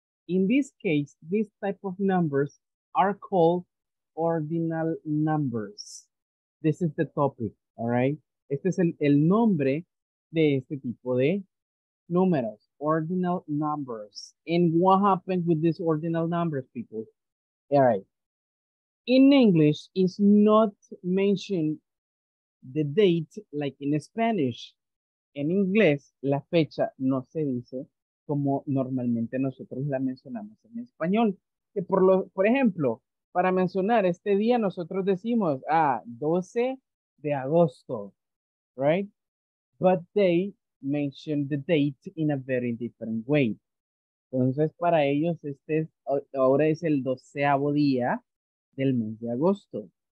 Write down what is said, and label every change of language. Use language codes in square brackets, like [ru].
[en] In this case, these type of numbers are called ordinal numbers. This is the topic. All right. [es] Este es el nombre de este tipo de números. [en] Ordinal numbers. And what happened with these ordinal numbers, people? All right. In English, it's not mentioned the date like in Spanish. [es] En inglés, la fecha no se dice como normalmente nosotros la mencionamos en español. Que por ejemplo, para mencionar este día, nosotros decimos, 12 de agosto, right? [en] But they mention the date in a very different way. [es] Entonces, para ellos, este es, ahora es el 12º día del mes de agosto.